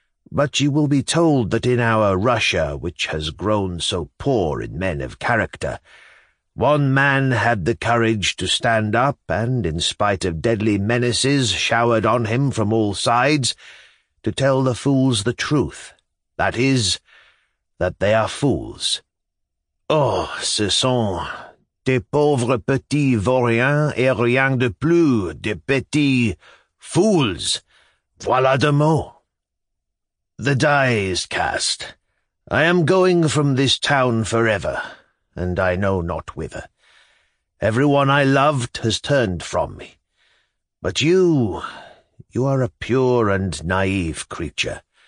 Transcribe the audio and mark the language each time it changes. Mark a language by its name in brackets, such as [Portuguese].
[English] But you will be told that in our Russia, which has grown so poor in men of character, one man had the courage to stand up and, in spite of deadly menaces showered on him from all sides, to tell the fools the truth, that is, that they are fools. [French] Oh, ce sont des pauvres petits vauriens et rien de plus, des petits fools. Voilà de mots. [English] The die is cast. I am going from this town forever, and I know not whither. Everyone I loved has turned from me. But you are a pure and naive creature.